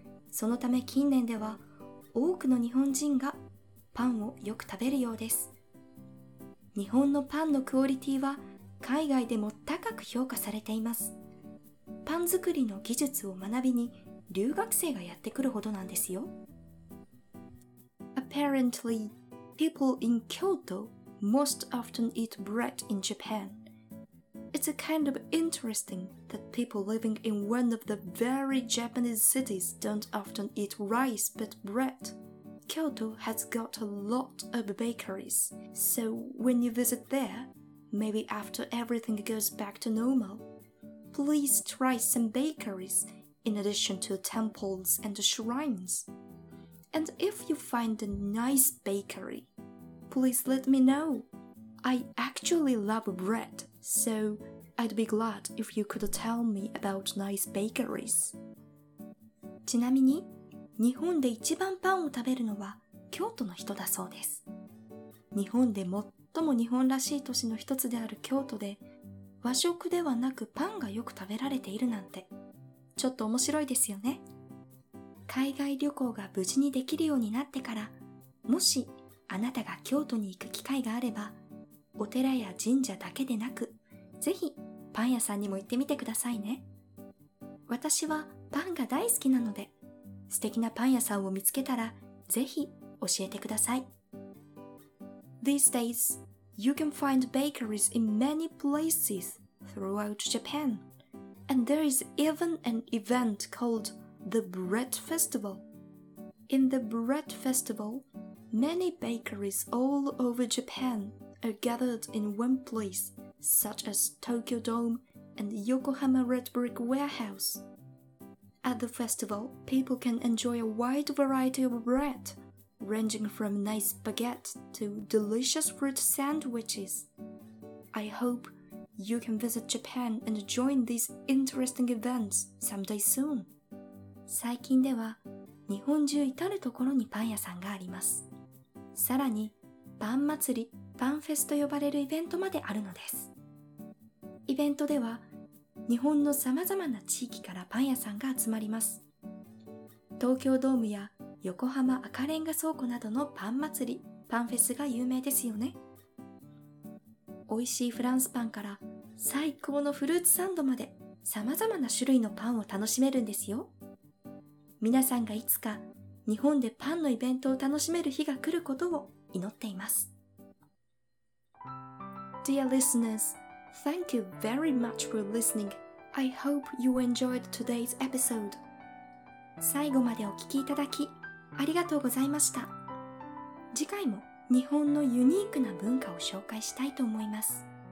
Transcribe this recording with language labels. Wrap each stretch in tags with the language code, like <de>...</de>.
<ja>そのため近年では、多くの日本人がパンをよく食べるようです。日本のパンのクオリティは海外でも高く評価されています。パン作りの技術を学びに留学生がやってくるほどなんですよ。</ja> <en>Apparently, people in Kyoto most often eat bread in Japan. It's a kind of interesting that people living in one of the very Japanese cities don't often eat rice but bread. Kyoto has got a lot of bakeries, so when you visit there, maybe after everything goes back to normal, please try some bakeries in addition to temples and shrines. And if you find a nice bakery, please let me know. I actually love bread, so I'd be glad if you could tell me about nice bakeries.</en> <ja>ちなみに、日本で一番パンを食べるのは京都の人だそうです。日本で最も日本らしい都市の一つである京都で、和食ではなくパンがよく食べられているなんて、ちょっと面白いですよね。海外旅行が無事にできるようになってから、もしあなたが京都に行く機会があれば、お寺や神社だけでなく、ぜひパン屋さんにも行ってみてくださいね。私はパンが大好きなので、素敵なパン屋さんを見つけたら、ぜひ教えてください。</ja> <en>These days, you can find bakeries in many places throughout Japan. And there is even an event calledThe Bread Festival. In the Bread Festival, many bakeries all over Japan are gathered in one place, such as Tokyo Dome and Yokohama Red Brick Warehouse. At the festival, people can enjoy a wide variety of bread, ranging from nice baguette to delicious fruit sandwiches. I hope you can visit Japan and join these interesting events someday soon.</en> <ja>最近では日本中至るところにパン屋さんがあります。さらにパン祭り、パンフェスと呼ばれるイベントまであるのです。イベントでは日本のさまざまな地域からパン屋さんが集まります。東京ドームや横浜赤レンガ倉庫などのパン祭り、パンフェスが有名ですよね。美味しいフランスパンから最高のフルーツサンドまでさまざまな種類のパンを楽しめるんですよ。皆さんがいつか日本でパンのイベントを楽しめる日が来ることを祈っています。</ja> <en>Dear listeners, thank you very much for listening. I hope you enjoyed today's episode.</en> <ja>最後までお聞きいただきありがとうございました。次回も日本のユニークな文化を紹介したいと思います。</ja>